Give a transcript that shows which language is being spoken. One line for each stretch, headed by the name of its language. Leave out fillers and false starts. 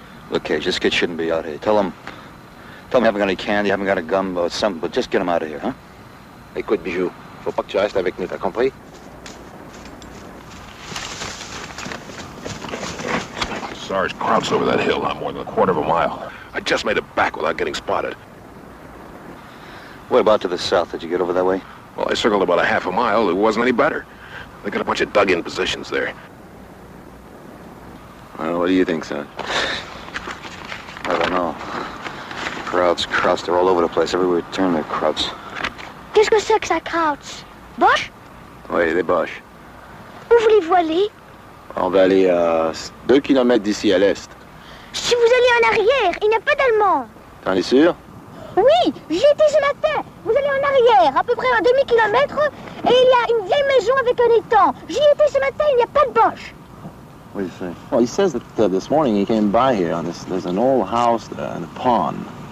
English: Look, Kay, this kid shouldn't be out here. Tell him you haven't got any candy, you haven't got a gumbo, something, but just get him out of here, huh?
French: Écoute, Bijou, faut pas que tu restes avec nous, t'as compris?
English: Sarge, Kraut's over that hill, not more than a quarter of a mile. I just made it back without getting spotted. What about to the south? Did you get over that way? Well, I circled about a half a mile. It wasn't any better. They got a bunch of dug-in positions there. Well, what do you think, son? I don't know. Krauts, Krauts, they're all over the place. Everywhere you turn, they're Krauts.
French: Qu'est-ce que c'est que ça, Krauts? Bosch? Oui, les Bosch. Où vous les voyez? On va aller à 2 kilomètres d'ici à l'est. Si vous allez en arrière, il n'y a pas d'Allemands. T'en es sûr? Oui, j'y étais ce matin. Vous allez en arrière, à peu près à 2 kilomètres, et il y a une vieille maison avec un étang. J'y étais ce matin, il n'y a pas de Bosch.
English: What do you think? Well, he says that this morning he came by here, and there's an old house there and a pond.